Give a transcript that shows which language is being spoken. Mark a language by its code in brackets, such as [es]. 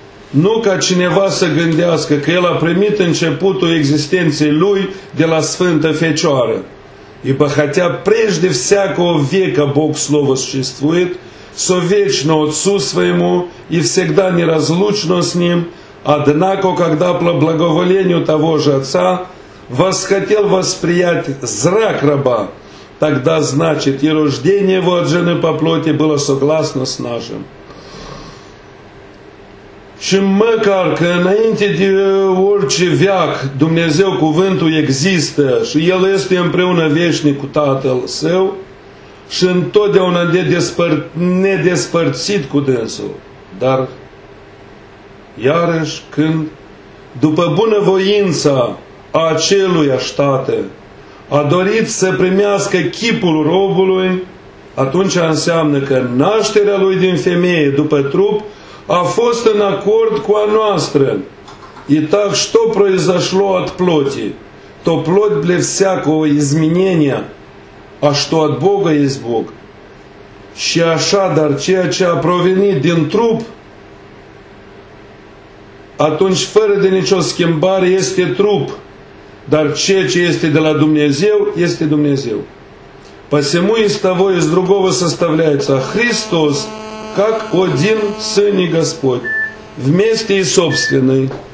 [ro] nu ca cineva să gândească că el a primit începutul existenței lui de la Sfântă Fecioară, [ru] ибо хотя прежде всякого века Бог Слово существует, со вечно Отцу Своему и всегда неразлучно с Ним, однако, когда по благоволению того же Отца восхотел восприять зрак раба, тогда, значит, и рождение его от жены по плоти было согласно с нашим. [ro] Și măcar că înainte de orice veac Dumnezeu cuvântul există și El este împreună veșnic cu Tatăl Său și întotdeauna nedespărțit cu Dânsul, dar iarăși când, după bunăvoința aceluia ștate, a dorit să primească chipul robului, atunci înseamnă că nașterea lui din femeie după trup a fost în acord cu a noastră. [ru] И так что произошло от плоти, то плоть для всякого изменения, а что от Бога есть Бог. [ro] Și așa, dar ceea ce a provenit din trup, atunci, fără de nicio schimbare, este trup. Dar ceea ce este de la Dumnezeu, este Dumnezeu. [ru] Посему из того и из другого составляется Христос, как один Сын и Господь, вместе и собственный.